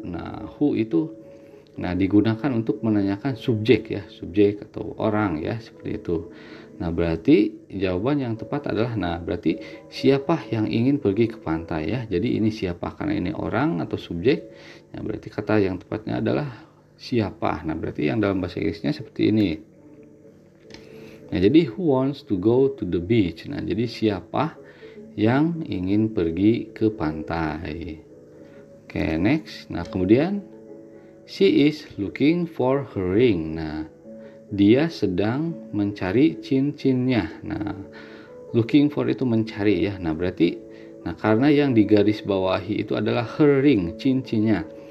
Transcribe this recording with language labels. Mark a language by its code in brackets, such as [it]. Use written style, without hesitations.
[id] Nah, who itu, nah, digunakan untuk menanyakan subjek ya, subjek atau orang ya, seperti itu. Nah, berarti jawaban yang tepat adalah, nah, berarti siapa yang ingin pergi ke pantai ya. Jadi ini siapa, karena ini orang atau subjek. Nah, berarti kata yang tepatnya adalah siapa. Nah, berarti yang dalam bahasa Inggrisnya seperti ini. [en] Nah, jadi who wants to go to the beach. [id] Nah, jadi siapa yang ingin pergi ke pantai. Oke, next. [en] Nah, kemudian she is looking for her ring. [id] Nah, dia sedang mencari cincinnya. Nah, looking for itu mencari ya. Nah, berarti, nah karena yang digaris bawahi itu adalah her ring, cincinnya.